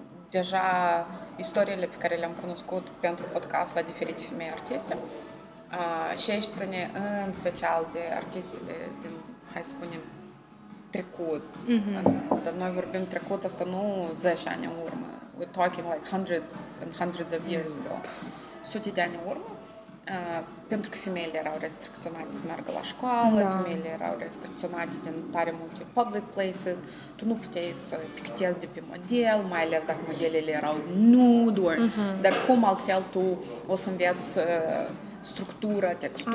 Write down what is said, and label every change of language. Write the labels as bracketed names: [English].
[Romanian] Deja istoriile pe care le-am cunoscut pentru podcast la diferite femei artiste, și aici ține în special de artistele din, hai să spunem, trecut. Dar noi vorbim trecut, asta nu 10 ani în urmă. [English] We're talking like hundreds and hundreds of years ago. [Romanian] Sute de ani în urmă. Pentru că femeile erau restricționate să meargă la școală, femeile erau restricționate din tare multe [English] public places. [Romanian] Tu nu puteai să pictezi de pe model, mai ales dacă modelele erau nude. Dar cum altfel tu o să înveți structura, textura,